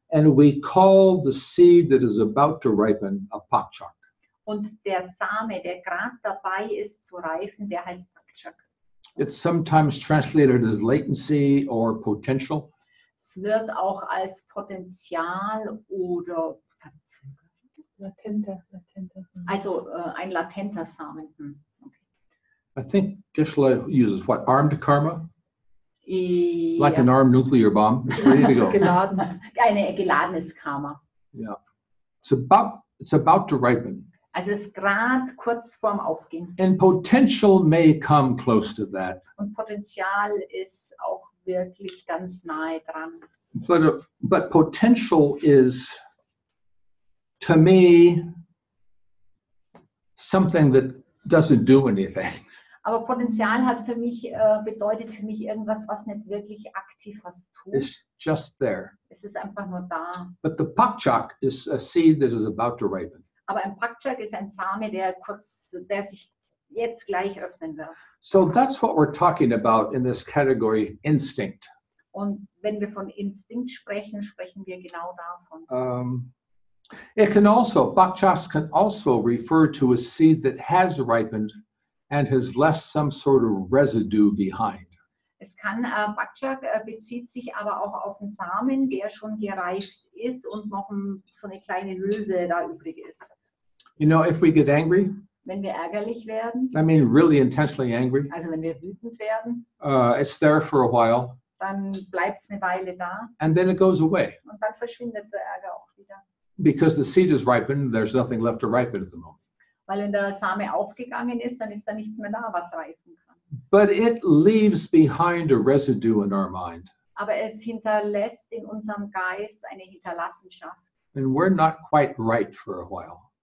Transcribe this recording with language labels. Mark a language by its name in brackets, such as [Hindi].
[English] And we call the seed that is about to ripen a Bakchak. [German] Und der Same, der gerade dabei ist zu reifen, der heißt Bakchak. [English] It's sometimes translated as latency or potential. [German] Es wird auch als Potenzial oder Latente. Also ein latenter Samen. [English] Okay. I think Geshe-la uses what? Armed karma? Yeah. Like an armed nuclear bomb. It's ready to go. [German] Geladen. Ein geladenes Karma. [English] Yeah. It's about to ripen. [German] Also es ist gerade kurz vorm Aufgehen. [English] And potential may come close to that. [German] Und Potenzial ist auch wirklich ganz nahe dran. [English] But potential is, to me, something that doesn't do anything. [German] Aber Potenzial hat für mich bedeutet für mich irgendwas, was nicht wirklich aktiv was tut. [English] It's just there. [German] Es ist einfach nur da. [English] But the Bakchak is a seed that is about to ripen. [German] Aber ein Bakchak ist ein Same, der sich jetzt gleich öffnen wird. [English] So that's what we're talking about in this category, instinct. [German] Und wenn wir von Instinkt sprechen, sprechen wir genau davon. [English] It can also, Bakchas can also refer to a seed that has ripened and has left some sort of residue behind. [German] Es kann, Bakchak bezieht sich aber auch auf einen Samen, der schon gereift ist und noch so eine kleine Hülse da übrig ist. [English] You know, if we get angry, [German] wenn wir ärgerlich werden, [English] I mean really intensely angry, [German] also wenn wir wütend werden, [English] it's there for a while, [German] dann bleibt es eine Weile da, [English] and then it goes away. [German] Und dann verschwindet der Ärger auch wieder. [English] Because the seed is ripened, there's nothing left to ripen at the moment. [German] Weil wenn der Same aufgegangen ist, dann ist da nichts mehr da, was reifen kann. [English] But it leaves behind a residue in our mind. [German] Aber es hinterlässt in unserem Geist eine Hinterlassenschaft. [English] And we're not quite right for a while.